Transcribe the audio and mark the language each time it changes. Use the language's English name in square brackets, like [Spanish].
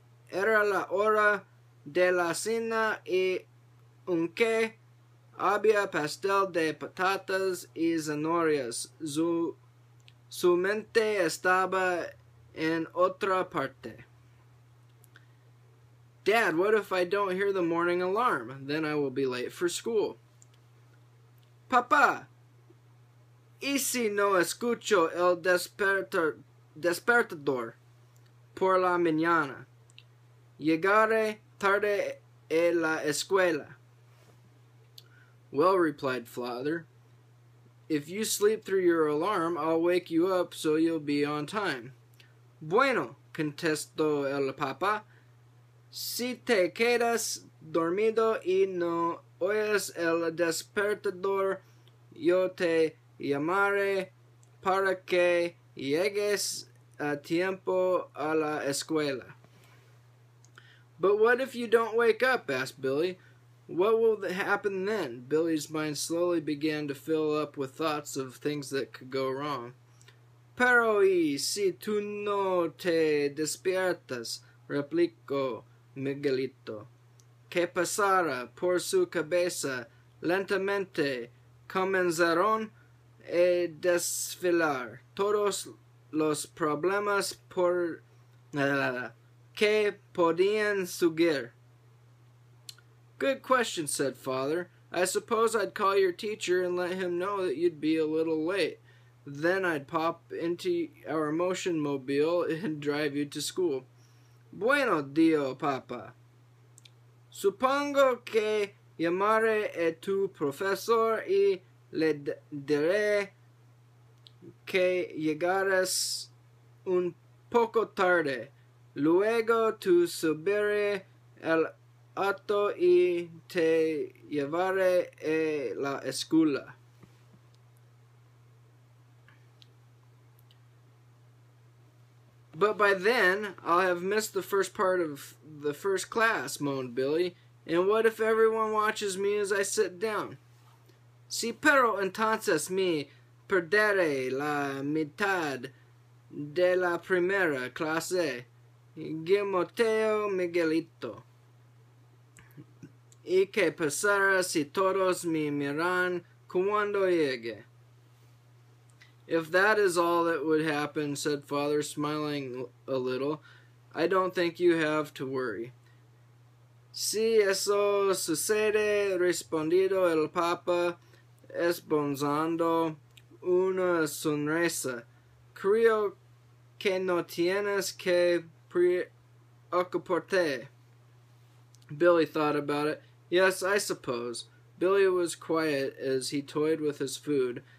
[Spanish] Era la hora de la cena y aunque había pastel de patatas y zanahorias, su mente estaba en otra parte. [English] Dad, what if I don't hear the morning alarm? Then I will be late for school. [Spanish] Papá, ¿y si no escucho el despertador por la mañana? Llegaré tarde a la escuela. [English] Well, replied Father, if you sleep through your alarm, I'll wake you up so you'll be on time. [Spanish] Bueno, contestó el papá. Si te quedas dormido y no oyes el despertador, yo te llamaré para que llegues a tiempo a la escuela. [English] But what if you don't wake up? Asked Billy. What will happen then? Billy's mind slowly began to fill up with thoughts of things that could go wrong. [Spanish] Pero y si tú no te despiertas, replicó Miguelito, que pasará por su cabeza lentamente comenzaron a desfilar todos los problemas por que podían surgir. [English] Good question, said Father. I suppose I'd call your teacher and let him know that you'd be a little late. Then I'd pop into our motion mobile and drive you to school. [Spanish] Bueno, dijo papá. Supongo que llamaré a tu profesor y le diré que llegarás un poco tarde. Luego tu subiré al auto y te llevaré a la escuela. [English] But by then, I'll have missed the first part of the first class, moaned Billy. And what if everyone watches me as I sit down? [Spanish] Si pero entonces me perderé la mitad de la primera clase, Gimoteo Miguelito. Y que pasará si todos me miran cuando llegue? [English] If that is all that would happen, said Father, smiling a little, I don't think you have to worry. [Spanish] Si eso sucede, respondió el papa, esbozando una sonrisa, creo que no tienes que preocuparte. [English] Billy thought about it. Yes, I suppose. Billy was quiet as he toyed with his food.